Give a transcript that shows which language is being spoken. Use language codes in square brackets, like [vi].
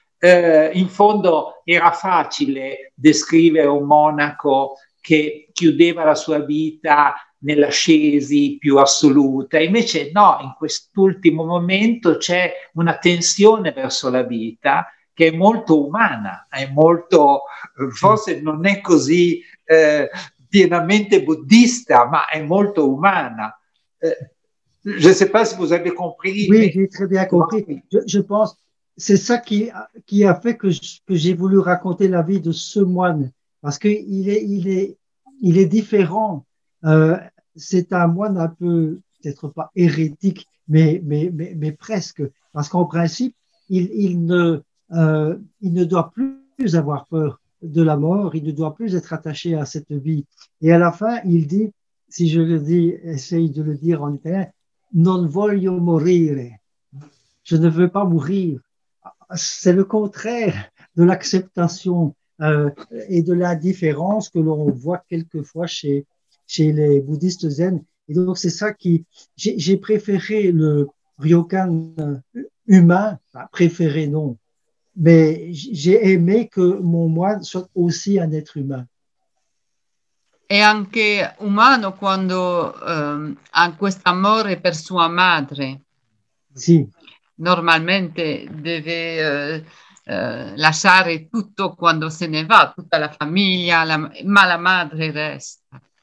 [it] In fondo era facile descrivere un monaco che chiudeva la sua vita nell'ascesi più assoluta, invece no, in quest'ultimo momento c'è una tensione verso la vita che è molto umana, è molto, forse non è così pienamente buddista, ma è molto umana. [fr] Je ne sais pas si vous avez compris. Oui, j'ai très bien compris. Je pense que c'est ça qui a fait que j'ai voulu raconter la vie de ce moine, parce qu'il est différent. C'est un moine un peu, peut-être pas hérétique, mais presque, parce qu'en principe, il ne doit plus avoir peur de la mort, il ne doit plus être attaché à cette vie. Et à la fin, il dit, si je le dis, essaye de le dire en italien, [it] non voglio morire, [fr] je ne veux pas mourir. C'est le contraire de l'acceptation et de l'indifférence que l'on voit quelquefois chez les bouddhistes zen. Et donc c'est ça qui j'ai préféré le Ryokan humain, enfin, préféré non, mais j'ai aimé que mon moine soit aussi un être humain. [it] È anche umano quando ha questo amore per sua madre. Sì. Normalmente deve lasciare tutto quando se ne va, tutta la famiglia, ma la madre resta.